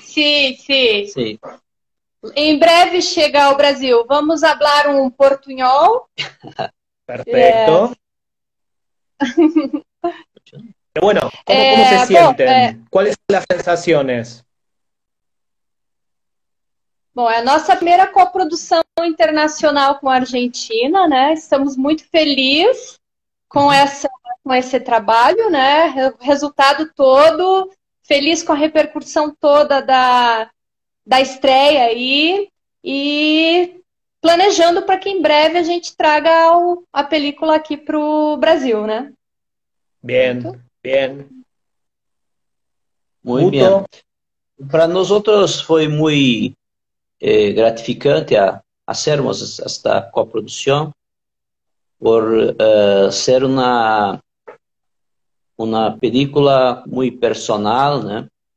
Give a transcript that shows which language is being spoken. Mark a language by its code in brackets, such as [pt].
[es] Sí. sí. En breve llega al Brasil. Vamos a hablar un portuñol. Perfecto. Pero bueno, ¿cómo se sienten? ¿Cuáles son las sensaciones? [pt] Bom, é a nossa primeira coprodução internacional com a Argentina, né? Estamos muito felizes com esse trabalho, né? O resultado todo, feliz com a repercussão toda da estreia aí e planejando para que em breve a gente traga a película aqui para o Brasil, né? Certo? [es] Bien, bien. Muy bien. Guto. Para nosotros fue muy gratificante hacernos esta coproducción por ser una película muy personal, ¿no?